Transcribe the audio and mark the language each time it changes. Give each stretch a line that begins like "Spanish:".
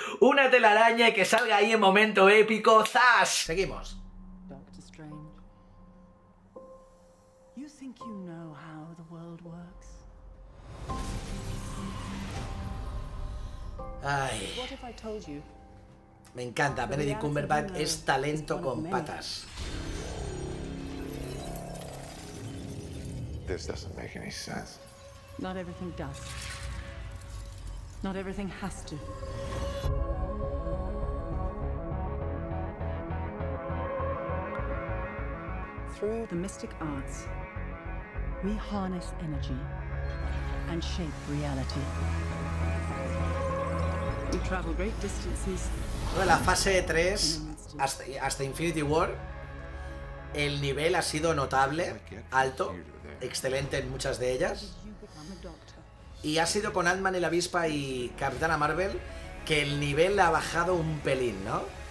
Spanish: ¡Una telaraña que salga ahí en momento épico! ¡Zas! Seguimos. Doctor Strange.
English: You think you know how the world works? Ay. What if I told you?
Spanish: Me encanta. Benedict Cumberbatch es talento con patas.
English: This doesn't make any sense. Not everything does. Not everything has to. Through the mystic arts, we harness energy and shape reality. We travel great distances.
Spanish: Bueno, la fase 3 hasta Infinity War, el nivel ha sido notable, alto, excelente en muchas de ellas. Y ha sido con Ant-Man y la Avispa y Capitana Marvel que el nivel ha bajado un pelín, ¿no?